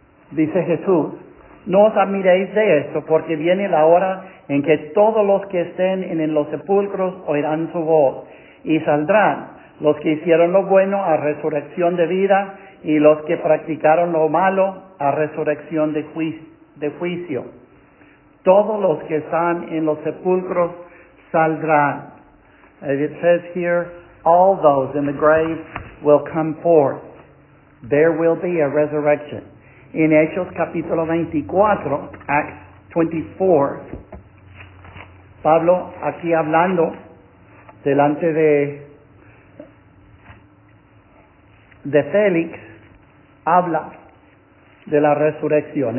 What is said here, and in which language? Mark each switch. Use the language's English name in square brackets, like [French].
[Spanish] Dice Jesús, no os admiréis de esto, porque viene la hora en que todos los que estén en los sepulcros oirán su voz, y saldrán los que hicieron lo bueno a resurrección de vida, y los que practicaron lo malo a resurrección de juicio. Todos los que están en los sepulcros saldrán. [English] As it says here, all those in the grave will come forth. There will be a resurrection. [Spanish] In Hechos capítulo 24, [English] Acts 24, [Spanish] Pablo aquí hablando delante de Félix, habla de la resurrección.